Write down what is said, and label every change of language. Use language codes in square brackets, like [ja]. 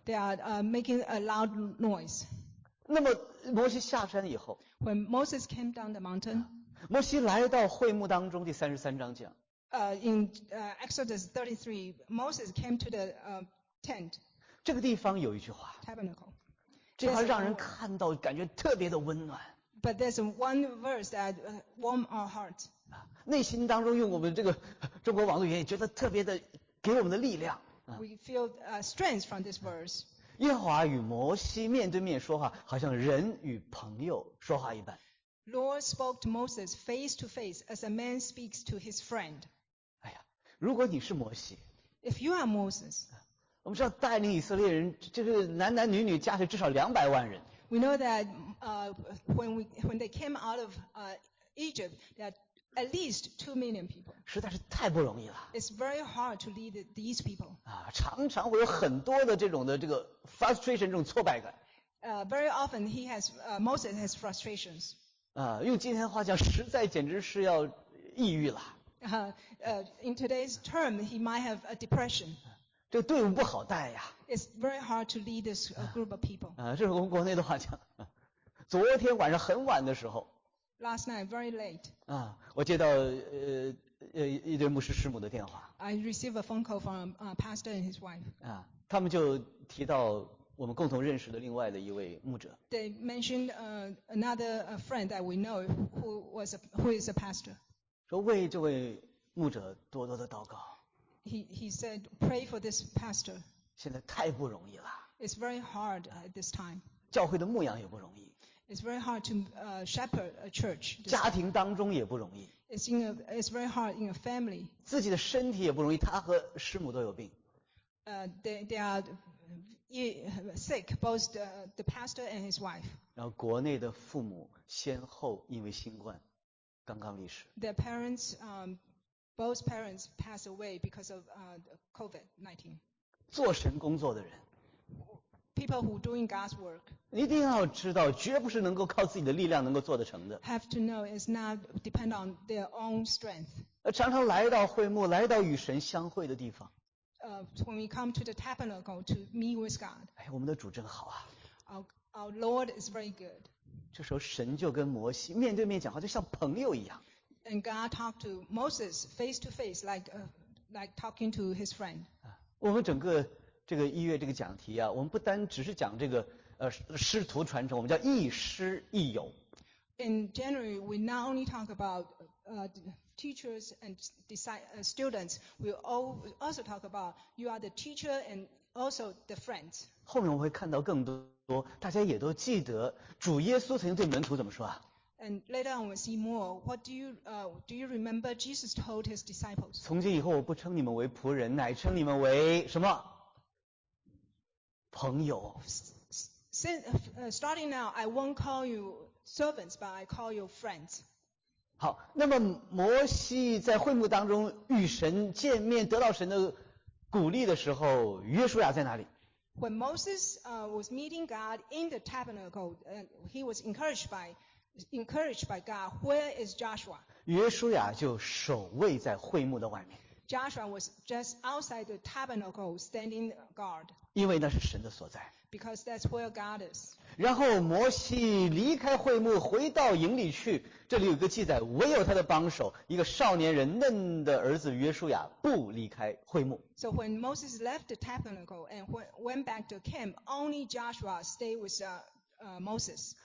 [en] They are making a loud noise. [zh] 那么摩西下山以后。 [en] When Moses came down the mountain. [zh] 摩西来到会幕当中第33章讲。 [en] In Exodus 33, Moses came to the tent. [zh] 这个地方有一句话。 [en] Tabernacle. [zh] 这话让人看到感觉特别的温暖。 [en] But there's one verse that warm our heart. [zh] 内心当中用我们这个中国网络语言也觉得特别的给我们的力量。 [en] We feel strength from this verse. [zh] 耶和华与摩西面对面说话好像人与朋友说话一般。 [en] Lord spoke to Moses face to face as a man speaks to his friend. [zh] 哎呀，如果你是摩西。 [en] If you are Moses. [zh] 我们知道带领以色列人这个男男女女加起来至少200万人。 [en] We know that when they came out of Egypt, there are at least 2 million people. [zh] 实在是太不容易了。 [en] It's very hard to lead these people. [zh] 啊，常常会有很多的这种的这个 frustration， 这种挫败感。 [en] Very often he has Moses has frustrations. [zh] 啊，用今天的话讲，实在简直是要抑郁了。 [en] In today's term, he might have a depression. [zh] 这队伍不好带呀。 [en] It's very hard to lead this group of people. [zh] 这是我们国内的话讲。昨天晚上很晚的时候。 [en] Last night, very late. [zh] 我接到一对牧师师母的电话。 [en] I received a phone call from pastor and his wife. [zh] 他们就提到我们共同认识的另外的一位牧者。 [en] They mentioned another friend that we know who is a pastor. [zh] 说为这位牧者多多的祷告。 [en] He said, pray for this pastor. [zh] 现在太不容易了。 [en] It's very hard at this time. [zh] 教会的牧养也不容易。 [en] It's very hard to shepherd a church. [zh] 家庭当中也不容易。 [en] It's very hard in a family. [zh] 自己的身体也不容易，他和师母都有病。 [en] They are sick, both the pastor and his wife. [zh] 然后国内的父母先后因为新冠刚刚离世。 [en] Their parents, both parents passed away because of COVID-19. [zh] 做神工作的人。 [en] People who doing God's work. [zh] 一定要知道，绝不是能够靠自己的力量能够做得成的。 [en] Have to know it's not depend on their own strength. [zh] 常常来到会幕，来到与神相会的地方。 [en] When we come to the tabernacle to meet with God. [zh] 哎，我们的主真好啊。 [en] Our Lord is very good. [zh] 这时候神就跟摩西面对面讲话，就像朋友一样。 [en] And God talked to Moses face to face, like talking to his friend. [zh] 我们整个这个一月这个讲题啊，我们不单只是讲这个师徒传承，我们叫亦师亦友。 [en] In January, we not only talk about teachers and students, we also talk about you are the teacher and also the friends. [zh] 后面我会看到更多，大家也都记得主耶稣曾经对门徒怎么说啊？ [en] And later on, we'll see more. What do you remember Jesus told his disciples? [zh] 从今以后，我不称你们为仆人，乃称你们为什么？朋友。 [en] Starting now, I won't call you servants, but I call you friends. [zh] 好，那么摩西在会幕当中与神见面，得到神的鼓励的时候，约书亚在哪里？ [en] When Moses was meeting God in the tabernacle, he was encouraged by God. Where is Joshua? [zh] 约书亚就守卫在会幕的外面。 [en] Joshua was just outside the tabernacle standing guard. [zh] 因为那是神的所在。 [en] Because that's where God is. [zh] 然后摩西离开会幕回到营里去，这里有个记载，唯有他的帮手一个少年人嫩的儿子约书亚不离开会幕。 [en] So when Moses left the tabernacle and went back to camp, only Joshua stayed with Moses.